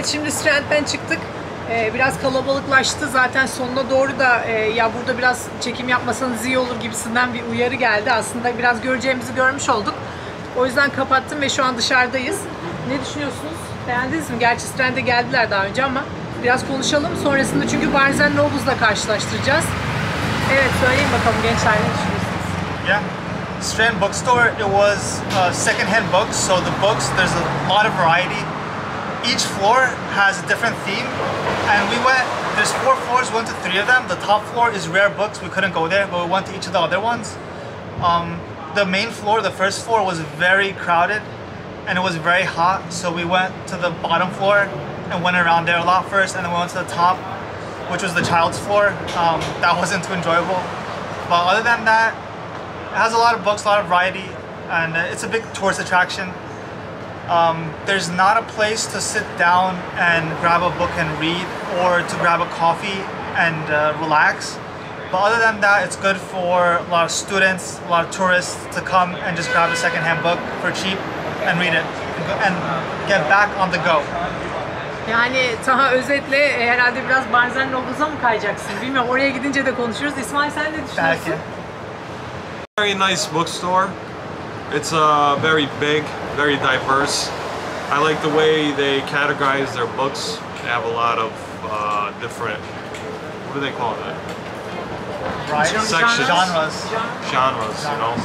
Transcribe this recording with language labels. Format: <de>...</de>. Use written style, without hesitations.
<tr>Strand'den çıktık. Biraz kalabalıklaştı. Zaten sonuna doğru da ya burada biraz çekim yapmasanız iyi olur gibisinden bir uyarı geldi. Aslında biraz göreceğimizi görmüş olduk. O yüzden kapattım ve şu an dışarıdayız. Ne düşünüyorsunuz? Beğendiniz mi? Gerçi Strand'e geldiler daha önce ama biraz konuşalım sonrasında, çünkü Barnes & Noble'la karşılaştıracağız. Evet, söyleyin bakalım gençler, ne düşünüyorsunuz?</tr> <en>Yeah. Strand Bookstore, it was second hand books, so the books, there's a lot of variety. Each floor has a different theme, and we went, there's four floors, we went to three of them. The top floor is rare books, we couldn't go there, but we went to each of the other ones. The main floor, the first floor, was very crowded and it was very hot, so we went to the bottom floor and went around there a lot first, and then we went to the top, which was the child's floor. That wasn't too enjoyable, but other than that, it has a lot of books, a lot of variety, and it's a big tourist attraction. There's not a place to sit down and grab a book and read, or to grab a coffee and relax. But other than that, it's good for a lot of students, a lot of tourists to come and just grab a secondhand book for cheap and read it and get back on the go.</en> <tr>Yani Taha, özetle herhalde biraz Barnes & Noble'a mı kayacaksın? Bilmiyorum, oraya gidince de konuşuruz. İsmail, sen ne düşünüyorsun? Belki.</tr> <en>Very nice bookstore. It's very big, very diverse. I like the way they categorize their books. They have a lot of different, what do they call that? Right. Sections. Genres. Genres, you know.</en>